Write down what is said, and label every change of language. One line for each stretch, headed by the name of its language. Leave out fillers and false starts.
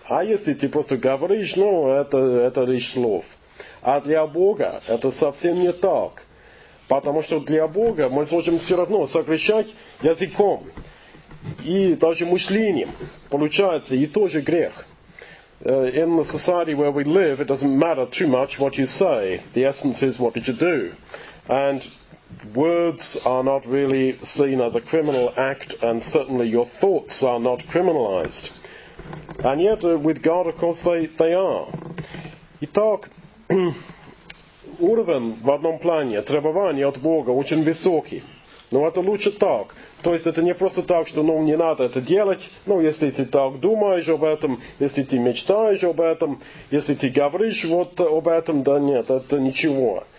Russian: А если ты просто говоришь, ну, это лишь слов. А для Бога это совсем не так. Потому что для Бога мы сможем все равно согрешать языком. И даже мышлением получается, и тоже грех.
English: In the society where we live, it doesn't matter too much what you say. The essence is, what did you do? And words are not really seen as a criminal act, and certainly your thoughts are not criminalized. And yet, with God, of course, they are.
Russian: Итак, уровень в одном плане требования от Бога очень высокий. Но это лучше так. То есть это не просто так, что ну не надо это делать, ну если ты так думаешь об этом, если ты мечтаешь об этом, если ты говоришь вот об этом, да нет, это ничего.